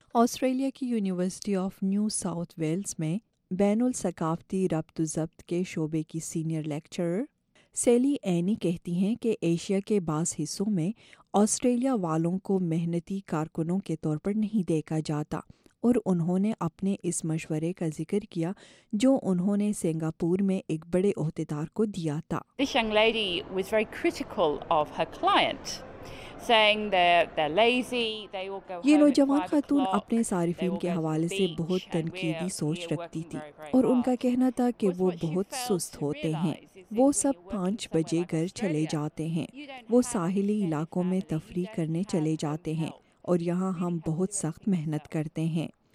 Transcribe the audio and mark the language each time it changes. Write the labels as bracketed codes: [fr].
[ur] Australia کی university of new south Wales میں بین الثقافتی ربط و ضبط کے شعبے کی سینئر لیکچرر سیلی اینی کہتی ہیں کہ ایشیا کے بعض حصوں میں آسٹریلیا والوں کو محنتی کارکنوں کے طور پر نہیں دیکھا جاتا, اور انہوں نے اپنے اس مشورے کا ذکر کیا جو انہوں نے سنگاپور میں ایک بڑے عہدیدار کو دیا تھا. [en] This young lady was very critical of her client, saying they're lazy, they will go home. [ur] یہ نوجوان خاتون اپنے صارفین کے حوالے سے بہت تنقیدی سوچ رکھتی تھی, اور ان کا کہنا تھا کہ وہ بہت سست ہوتے ہیں. وہ سب 5 بجے گھر چلے جاتے ہیں, وہ ساحلی علاقوں میں تفریح کرنے چلے جاتے ہیں, اور یہاں ہم بہت سخت محنت کرتے ہیں.